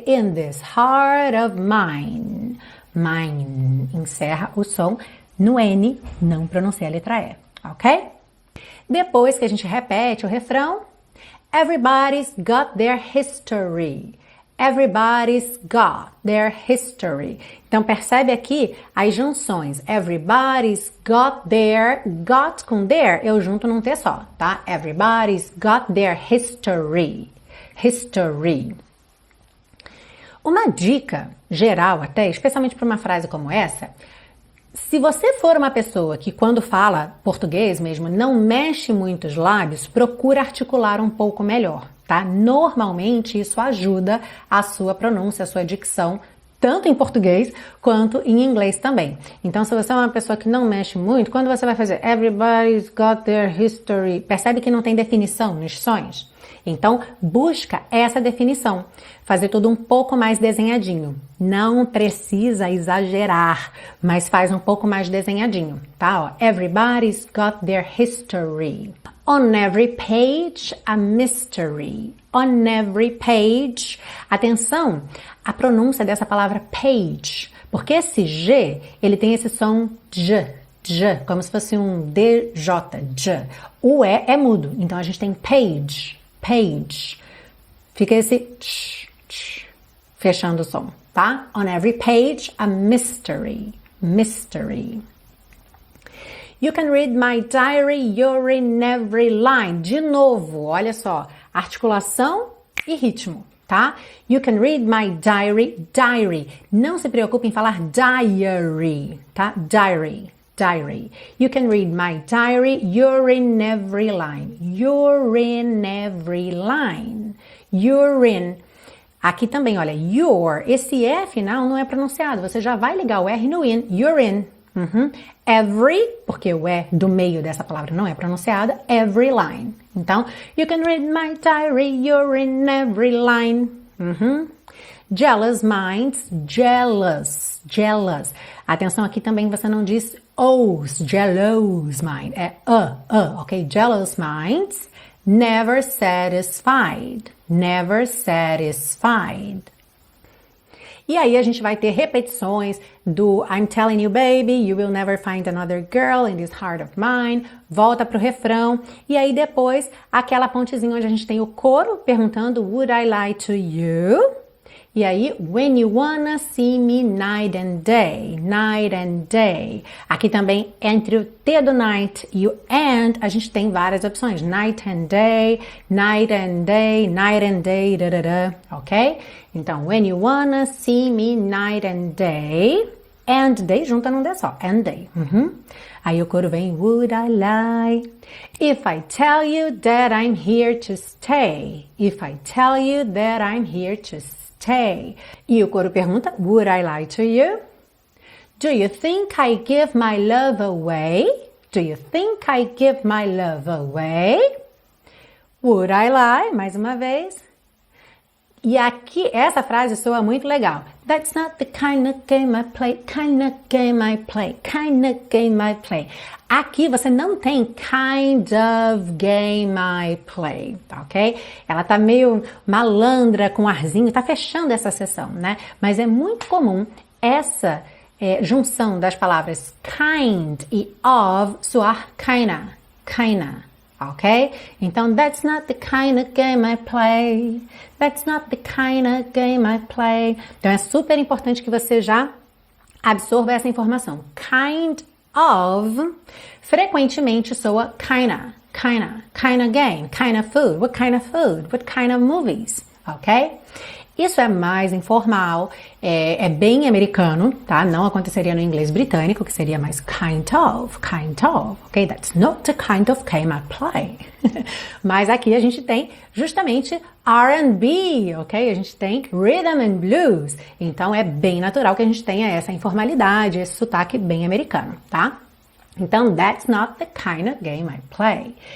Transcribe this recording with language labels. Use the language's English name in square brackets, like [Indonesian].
[English] In this heart of mine, mine, [Portuguese] encerra o som no N, não pronuncia a letra E, ok? Depois que a gente repete o refrão, [English] everybody's got their history, everybody's got their history. [Portuguese] Então percebe aqui as junções. [English] Everybody's got their, got [Portuguese] com their, eu junto num T só, tá? [English] Everybody's got their history. History. [Portuguese] Uma dica geral até, especialmente para uma frase como essa, se você for uma pessoa que quando fala português mesmo não mexe muito os lábios, procura articular um pouco melhor. Tá? Normalmente isso ajuda a sua pronúncia, a sua dicção, tanto em português quanto em inglês também. Então, se você é uma pessoa que não mexe muito, quando você vai fazer [English] everybody's got their history, [Portuguese] percebe que não tem definição nos sons? Então, busca essa definição, fazer tudo um pouco mais desenhadinho. Não precisa exagerar, mas faz um pouco mais desenhadinho, tá? [English] Ó, everybody's got their history. On every page, a mystery. On every page. [Portuguese] Atenção à pronúncia dessa palavra page. Porque esse G, ele tem esse som J, J. Como se fosse um DJ, J. O E é mudo. Então, a gente tem page, page. Fica esse tch, tch, fechando o som, tá? [English] On every page, a mystery. Mystery. You can read my diary, you're in every line. [Portuguese] De novo, olha só, articulação e ritmo, tá? [English] You can read my diary, diary. [Portuguese] Não se preocupe em falar diary, tá? [English] Diary, diary. You can read my diary, you're in every line. You're in every line. You're in. [Portuguese] Aqui também, olha, your. Esse E final não é pronunciado, você já vai ligar o R no in. [English] You're in. [Portuguese] Uhum. Every, porque o E do meio dessa palavra não é pronunciada, [English] every line. Então, you can read my diary, you're in every line. Uhum. Jealous minds, jealous, jealous. [Portuguese] Atenção aqui também, você não diz os, [English] jealous mind. [Portuguese] É ok? [English] Jealous minds, never satisfied, never satisfied. [Portuguese] E aí a gente vai ter repetições do [English] I'm telling you, baby, you will never find another girl in this heart of mine. [Portuguese] Volta pro refrão. E aí depois, aquela pontezinha onde a gente tem o coro perguntando [English] would I lie to you? E aí, when you wanna see me night and day, night and day. [Portuguese] Aqui também, entre o T do night e o and, a gente tem várias opções. [English] Night and day, night and day, night and day, da, da, da, ok? Então, when you wanna see me night and day, and day, [Portuguese] junta num D só, [English] and day. Uhum. [Portuguese] Aí o coro vem, [English] would I lie? If I tell you that I'm here to stay, if I tell you that I'm here to stay. stay? [Portuguese] E o coro pergunta, [English] would I lie to you? Do you think I give my love away? Do you think I give my love away? Would I lie? [Portuguese] Mais uma vez. E aqui, essa frase soa muito legal. [English] That's not the kind of game I play, kind of game I play, kind of game I play. [Portuguese] Aqui você não tem [English] kind of game I play, [Portuguese] tá ok? Ela tá meio malandra, com um arzinho, tá fechando essa sessão, né? Mas é muito comum essa junção das palavras kind e of soar kinda, kinda. Ok? [English] Então, that's not the kind of game I play. That's not the kind of game I play. [Portuguese] Então, é super importante que você já absorva essa informação. [English] Kind of, frequentemente soa kinda, kinda, kinda game, kinda food. What kind of food? What kind of movies? Ok? [Portuguese] Isso é mais informal, é bem americano, tá? Não aconteceria no inglês britânico, que seria mais kind of, ok? [English] That's not the kind of game I play. [Portuguese] Mas aqui a gente tem justamente R&B, ok? A gente tem rhythm and blues. Então é bem natural que a gente tenha essa informalidade, esse sotaque bem americano, tá? [English] Então, that's not the kind of game I play.